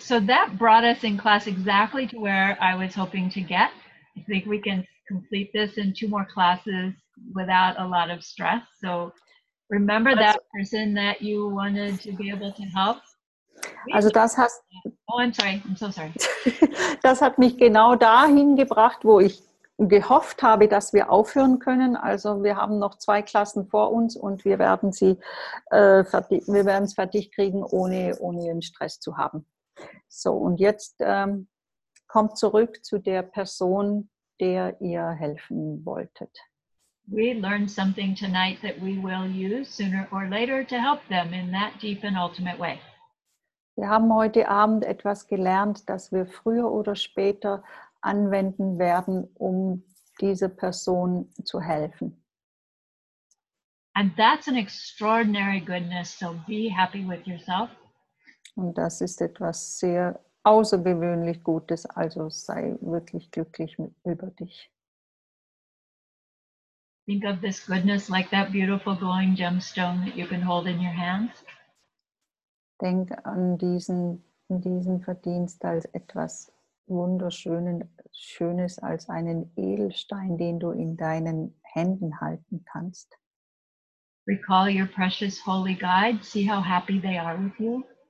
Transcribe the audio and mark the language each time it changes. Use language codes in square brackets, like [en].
[en] So that brought us in class exactly to where I was hoping to get. I think we can complete this in two more classes without a lot of stress. So remember that person that you wanted to be able to help. [de] Also das hat. [en] Oh, I'm sorry. I'm so sorry. [de] Das hat mich genau dahin gebracht, wo ich gehofft habe, dass wir aufhören können. Also wir haben noch zwei Klassen vor uns und wir werden sie wir werden es fertig kriegen, ohne einen Stress zu haben. So, und jetzt kommt zurück zu der Person, der ihr helfen wolltet. [en] We learned something tonight that we will use sooner or later to help them in that deep and ultimate way. [de] Wir haben heute Abend etwas gelernt, das wir früher oder später anwenden werden, um diese Person zu helfen. [en] And that's an extraordinary goodness, so be happy with yourself. [de] Und das ist etwas sehr außergewöhnlich Gutes, also sei wirklich glücklich über dich. [en] Think of this goodness like that beautiful glowing gemstone that you can hold in your hands. [de] Denk an diesen Verdienst als etwas Wunderschönes, als einen Edelstein, den du in deinen Händen halten kannst. [en] Recall your precious holy guide. See how happy they are with you.